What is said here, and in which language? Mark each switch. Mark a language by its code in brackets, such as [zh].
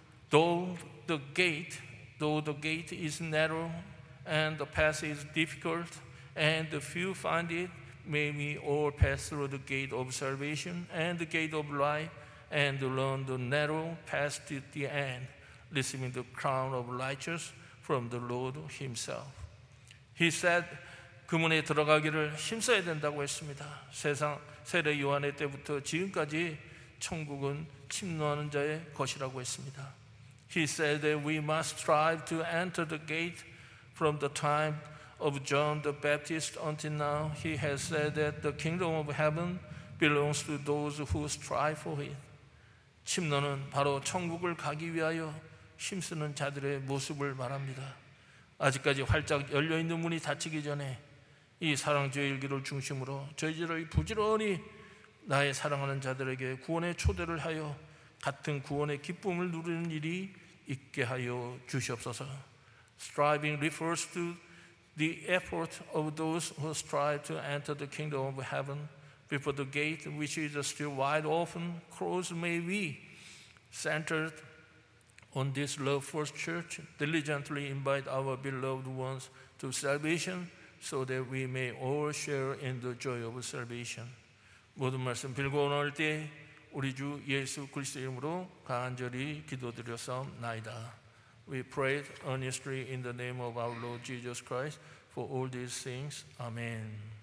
[en] Though the gate is narrow and the path is difficult and few find it, may we all pass through the gate of salvation and the gate of life and learn the narrow path to the end, receiving the crown of righteousness from the Lord himself. He said, [ko] 그문에 들어가기를 힘써야 된다고 했습니다. 세상 세례 요한의 때부터 지금까지 천국은 침노하는 자의 것이라고 했습니다. [en] He said that we must strive to enter the gate from the time of John the Baptist until now. He has said that the kingdom of heaven belongs to those who strive for it. [ko] 침노는 바로 천국을 가기 위하여 힘쓰는 자들의 모습을 말합니다. 아직까지 활짝 열려있는 문이 닫히기 전에 이 사랑주의 일기를 중심으로 저희들의 부지런히 나의 사랑하는 자들에게 구원의 초대를 하여 같은 구원의 기쁨을 누리는 일이 있게 하여 주시옵소서. [en] Striving refers to the effort of those who strive to enter the kingdom of heaven before the gate which is still wide open closed may be centered on this love first church, diligently invite our beloved ones to salvation so that we may all share in the joy of salvation. [ko] 모든 말씀 빌고 나올 때 우리 주 예수 그리스도 이름으로 간절히 기도드렸사옵나이다. [en] We pray earnestly in the name of our Lord Jesus Christ for all these things. Amen.